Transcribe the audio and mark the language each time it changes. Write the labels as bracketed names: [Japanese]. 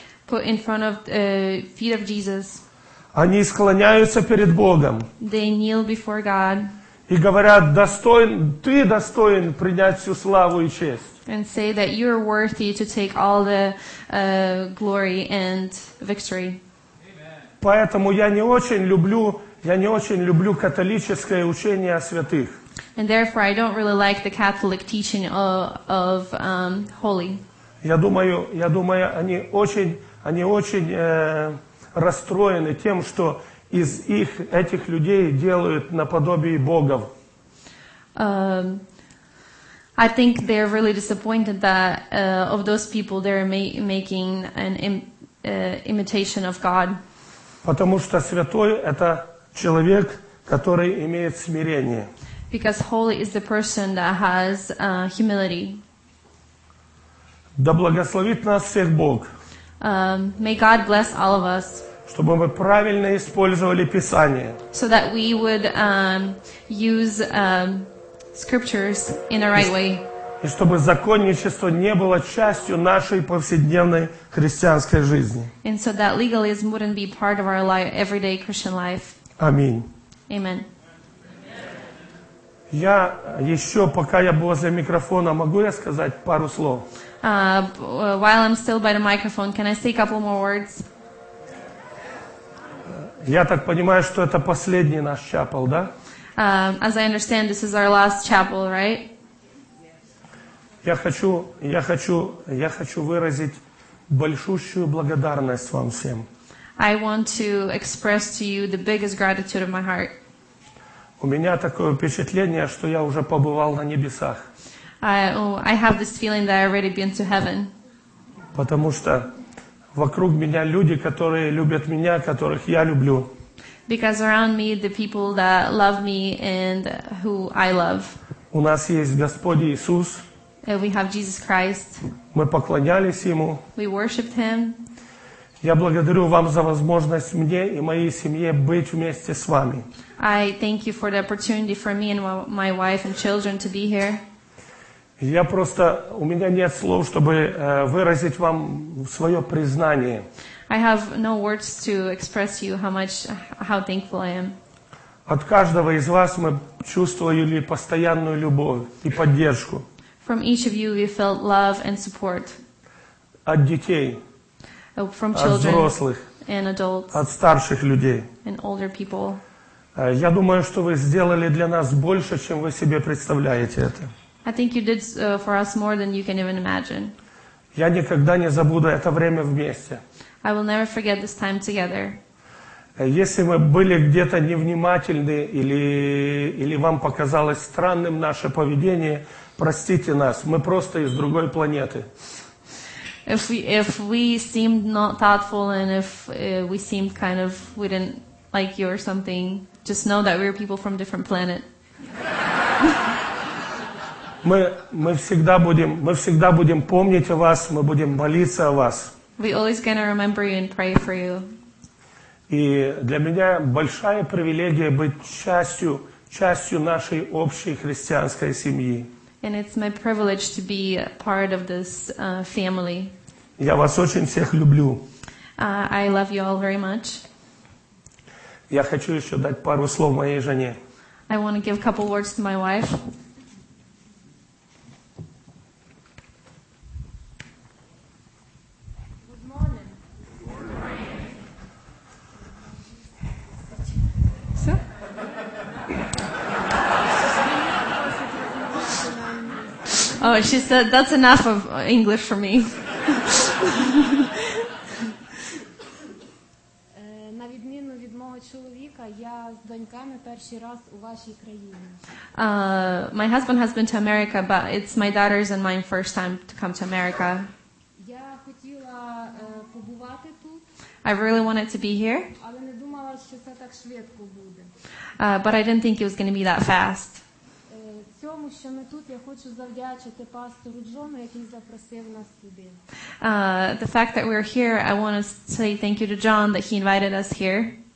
[English] put in front of feet of Jesus. [Russian] Они склоняются перед Богом, [English] they kneel before God, [Russian] и говорят: достоин, ты достоин принять всю славу и честь. [English] And say that you are worthy to take all the glory and victory. [Russian] Поэтому я не очень люблю католическое учение о святых. [English] And therefore, I don't really like the Catholic teaching of holy. [Russian] Я думаю, они очень расстроены тем, что из их этих людей делают наподобие богов. [English] I think they're really disappointed that of those people they're making an imitation of God. [Russian] Потому что святой – это человек, который имеет смирение. [English] Because holy is the person that has humility. [Russian] Да благословит нас всех Бог. [English] May God bless all of us. [Russian] Чтобы мы правильно использовали Писание. [English] So that we would use scriptures in a right way. [Russian] И чтобы законничество не было частью нашей повседневной христианской жизни. [English] And so that legalism wouldn't be part of our life, everyday Christian life. [Russian] Аминь. [English] Amen. [Russian] Я еще, пока я возле микрофона, могу я сказать пару слов? [English] While I'm still by the microphone, can I say a couple more words? [Russian] Я так понимаю, что это последний наш чапел, да? [English] As I understand, this is our last chapel, right? [Russian] Я хочу выразить большущую благодарность вам всем. [English] I want to express to you the biggest gratitude of my heart. [Russian] У меня такое впечатление, что я уже побывал на небесах. [English] I have this feeling that I've already been to heaven. [Russian] Потому что вокруг меня люди, которые любят меня, которых я люблю. [English] Because around me the people that love me and who I love. [Russian] У нас есть Господь Иисус. [English] And we have Jesus Christ. [Russian] Мы поклонялись Ему. [English] We worshiped Him. [Russian] Я благодарю вам за возможность мне и моей семье быть вместе с вами. [English] I thank you for the opportunity for me and my wife and children to be here. [Russian] Я просто, у меня нет слов, чтобы выразить вам свое признание. [English] I have no words to express you how thankful I am. [Russian] От каждого из вас мы чувствовали постоянную любовь и поддержку. [English] From each of you we felt love and support. [Russian] От детей. [English] From children. [Russian] От взрослых. [English] And adults. [Russian] От старших людей. [English] And older people. [Russian] Я думаю, что вы сделали для нас больше, чем вы себе представляете это. [English] I think you did for us more than you can even imagine. [Russian] Я никогда не забуду это время вместе. [English] I will never forget this time together. [Russian] Если мы были где-то невнимательны или вам показалось странным наше поведение, простите нас, мы просто из другой планеты. [English] If we seemed not thoughtful and if we seemed kind of we didn't like you or something, just know that we're people from different planet. [Russian] Мы всегда будем помнить о вас, мы будем молиться о вас. [English] We always gonna remember you and pray for you. [Russian] И для меня большая привилегия быть частью нашей общей христианской семьи. [English] And it's my privilege to be part of this family. [Russian] Я вас очень всех люблю. [English] I love you all very much. [Russian] Я хочу еще дать пару слов моей жене. [English] I want to give a couple words to my wife. Good morning. [Russian] Все? [English] Oh, she said, that's enough of English for me. [Ukrainian] На відміну від мого чоловіка, я з доньками перший раз у вашій країні. [English] My husband has been to America, but it's my daughters and mine first time to come to America. [Ukrainian] Я хотіла побувати тут. [English] I really wanted to be here. [Ukrainian] Але не думала, що це так швидко буде. [English] But I didn't think it was going to be that fast. [Ukrainian] Тому що ми тут, я хочу завдячити пастору Джону, який запросив нас сюди. [English] The fact that we're here, I want to say thank you to John that he invited us here.